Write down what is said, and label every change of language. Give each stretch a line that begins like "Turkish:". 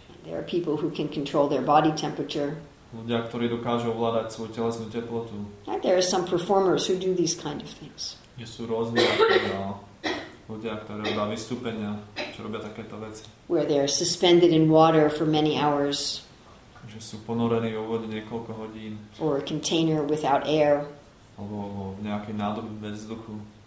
English: There are people who can control their body temperature.
Slovak: Ľudia, ktorí dokážu ovládať svoju telesnú teplotu.
English: And there are some performers who do these kind of things.
Slovak: Je sú rôzne, ľudia, ktorí robia vystúpenia, čo robia takéto veci.
English: Where they are suspended in water for many hours.
Slovak: Že sú ponorení vo vode niekoľko hodín.
English: Or a container without air.
Slovak: Alebo v nejakej nádobe bez vzduchu.